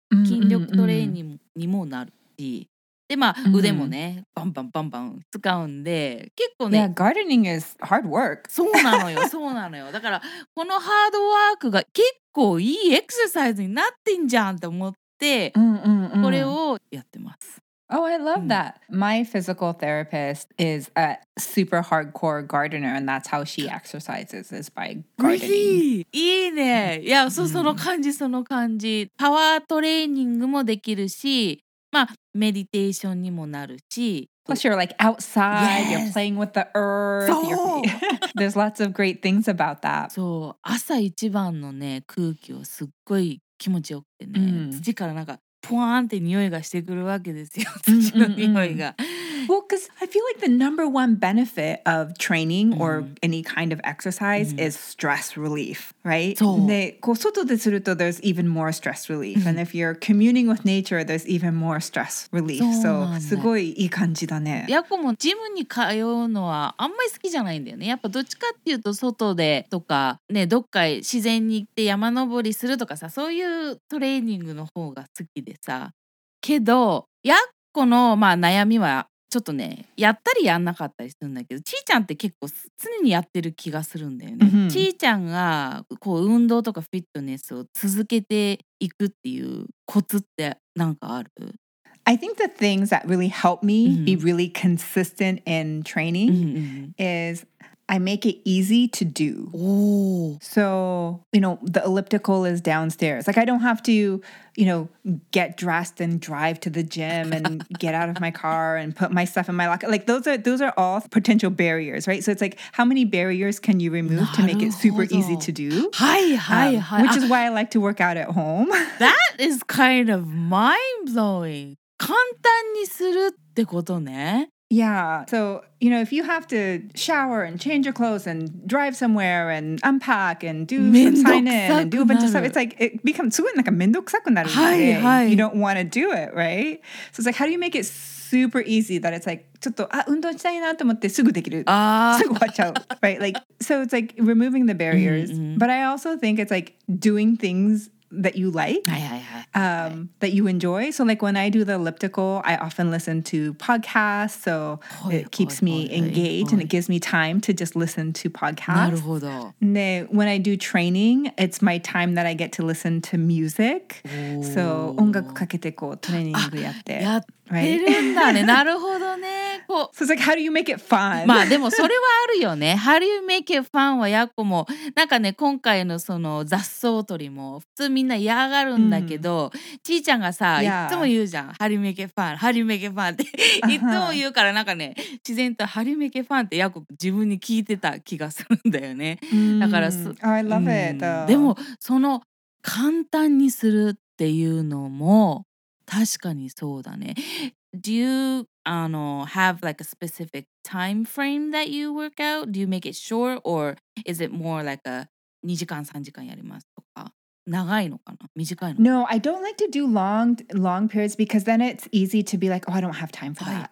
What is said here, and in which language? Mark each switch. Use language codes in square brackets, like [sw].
[ja] 筋力トレーニングにもなるし、でまあ腕もね、バンバンバンバン使うんで、結構ね、 [en] yeah, gardening is hard work. [ja] そうなのよ、そうなのよ。だからこのハードワークが結構いいエクササイズになってんじゃんと思って、これをやってます。 [en] Oh, I love that. My physical therapist is a super hardcore gardener, and that's how she exercises, is by gardening. [ja] いいね。いや、そう、その感じ、その感じ。パワートレーニングもできるし、まあ、メディテーションにもなるし。 [en] Plus, you're like outside, yes. you're playing with the earth. [ja] そう。 [en] There's lots of great things about that. [ja] そう。朝一番のね、空気をすっごい気持ちよくてね。土からなんか、ポワーンって匂いがしてくるわけですよ、土の匂いが。 [en] Well, because I feel like the number one benefit of training or any kind of exercise is stress relief, right? [ja] そう。で、こう外ですると [en] there's even more stress relief. And if you're communing with nature, there's even more stress relief. [ja] そうなんだ。すごいいい感じだね。ヤコもジムに通うのはあんまり好きじゃないんだよね。やっぱどっちかっていうと外でとかね、どっか自然に行って山登りするとかさ、そういうトレーニングの方が好きでさ。けど、ヤコのまあ悩みはちょっとね、やったりやんなかったりするんだけど、ちーちゃんって結構常にやってる気がするんだよね。ちーちゃんがこう運動とかフィットネスを続けていくっていうコツってなんかある？ [en] I think the things that really help me be really consistent in training is I make it easy to do. Ooh. So, you know, the elliptical is downstairs. Like, I don't have to, you know, get dressed and drive to the gym and get out of my car and put my stuff in my locker. Like, those are all potential barriers, right? So it's like, how many barriers can you remove to make it super easy to do? [ja] はいはいはい。 [en] Which is why I like to work out at home. That is kind of mind-blowing. [ja] 簡単にするってことね。 [en] Yeah, so, you know, if you have to shower and change your clothes and drive somewhere and unpack and do some sign-in and do a bunch of stuff, it's like, it becomes, [ja] すごいなんか面倒くさくなるんで、はいはい。 [en] You don't want to do it, right? So it's like, how do you make it super easy that it's like, [ja] ちょっと、あ、運動したいなと思ってすぐできる。あ、すぐ終わっちゃう、 [en] right? Like, so it's like, removing the barriers. But I also think it's like, doing things that you like, that you enjoy. So like when I do the elliptical, I often listen to podcasts. So it keeps me engaged and it gives me time to just listen to podcasts. [ja] なるほど。 [en] で、when I do training, it's my time that I get to listen to music. [ja] So 音楽かけてこうトレーニングやって。やってるんだね。なるほどね。こ [en] う。So it's like, how do you make it fun? [ja] まあでもそれはあるよね。 [en] How do you make it fun? [ja] はやっこも、なんかね、今回のその雑草取りも、普通みんな嫌がるんだけど、ちーちゃんがさ、いつも言うじゃん、How do you make it fun? How do you make it fun? っていつも言うからなんかね、自然と [en] How do you make it fun? [ja] ってヤコ自分に聞いてた気がするんだよね。だから、 [en] I love it. [ja] でもその簡単にするっていうのも確かにそうだね。 [en] Do you have like a specific time frame that you work out? Do you make it short or is it more like a [ja] 2時間3時間やりますとか？長いのかな？短いのかな？ [en] No, I don't like to do long periods because then it's easy to be like, oh, I don't have time for that.